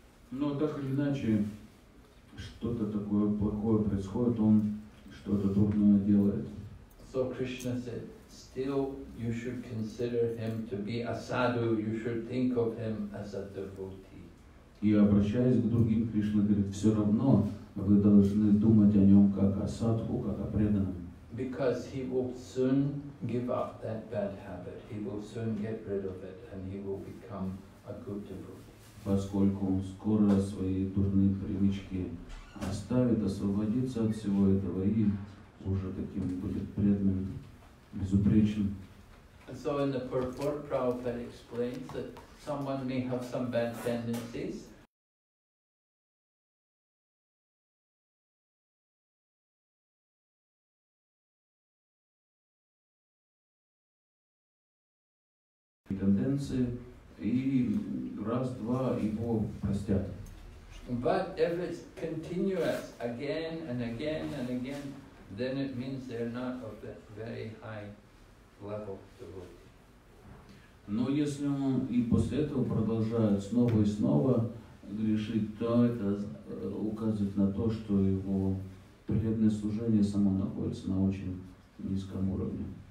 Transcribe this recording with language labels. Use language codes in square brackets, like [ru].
[ru] Но так или иначе, что-то такое плохое происходит, он что-то трудное делает. [en] So Krishna said, still you should consider him to be a sadhu, you should think of him as a devotee. [ru] И обращаясь к другим, Кришна говорит, все равно вы должны думать о нем как о садху, как о преданном. [en] Because he will soon give up that bad habit, he will soon get rid of it, and he will become a good devotee. [ru] Поскольку он скоро свои дурные привычки оставит, освободится от всего этого и уже таким будет преданным, безупречным. [en] So in the purport, Prabhupada explains that someone may have some bad tendencies. [ru] Тенденции. И раз, два, его простят. [en] But if it's continuous again and again and again, then it means they're not of a very high level devotee. [ru] Но если он и после этого продолжает снова и снова грешить, то это указывает на то, что его преданное служение само находится на очень низком уровне.